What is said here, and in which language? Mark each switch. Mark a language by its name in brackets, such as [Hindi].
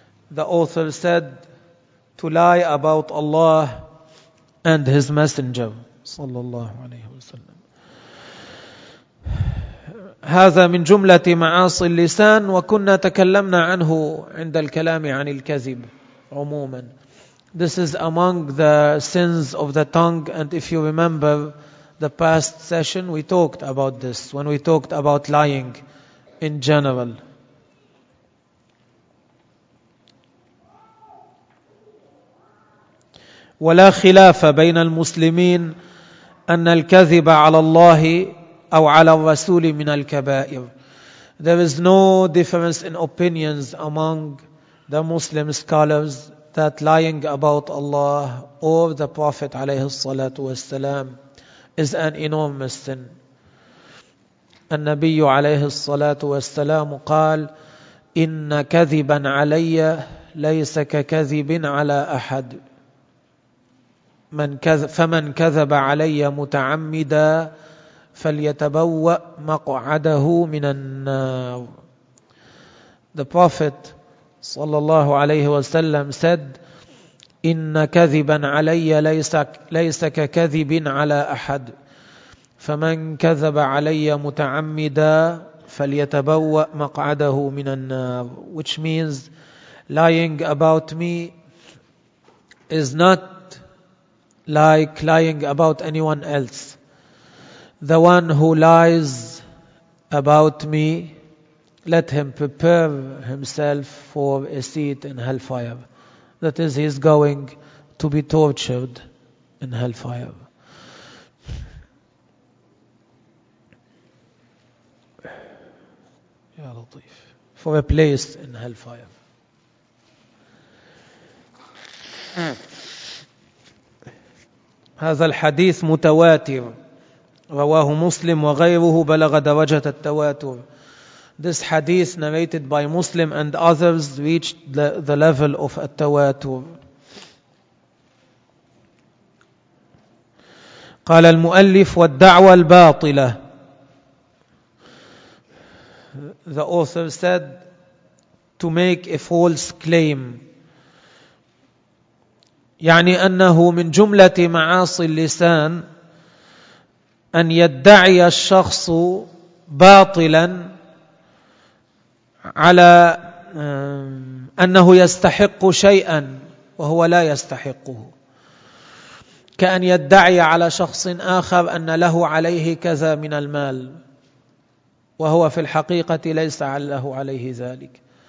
[English] The author said, to lie about Allah and His Messenger [Arabic] صلى الله عليه وسلم. هذا من جملة معاصي اللسان، وكنا تكلمنا عنه عند الكلام عن الكذب عموما. [English] This is among the sins of the tongue, and if you remember the past session, we talked about this when we talked about lying in general. [Arabic] ولا خلاف بين المسلمين أن الكذب على الله أو على الرسول من الكبائر. [English] There is no difference in opinions among the Muslim scholars that lying about Allah or the Prophet [Arabic] عليه الصلاة والسلام [English] is an enormous sin. [Arabic] النبي عليه الصلاة والسلام قال: إن كذبا علي ليس ككذب على أحد. فمن كذب علي متعمدا فليتبوأ مقعده من النار. [English] The Prophet [Arabic] صلى الله عليه وسلم [English] said, [Arabic] إن كذبا علي ليس ككذب على أحد. فمن كذب علي متعمدا فليتبوأ مقعده من النار. [English] Which means, lying about me is not like lying about anyone else. The one who lies about me, let him prepare himself for a seat in hellfire. That is, he is going to be tortured in hellfire. Ya Latif. For a place in hellfire. [Arabic] هذا الحديث متواتر رواه مسلم وغيره بلغ درجة التواتر. [English] This hadith narrated by Muslim and others reached the level of التواتر. [Arabic] قال المؤلف: والدعوة الباطلة. [English] The author said, to make a false claim. [Arabic] يعني أنه من جملة معاصي اللسان أن يدعي الشخص باطلا على أنه يستحق شيئا وهو لا يستحقه، كأن يدعي على شخص آخر أن له عليه كذا من المال وهو في الحقيقة ليس له عليه ذلك.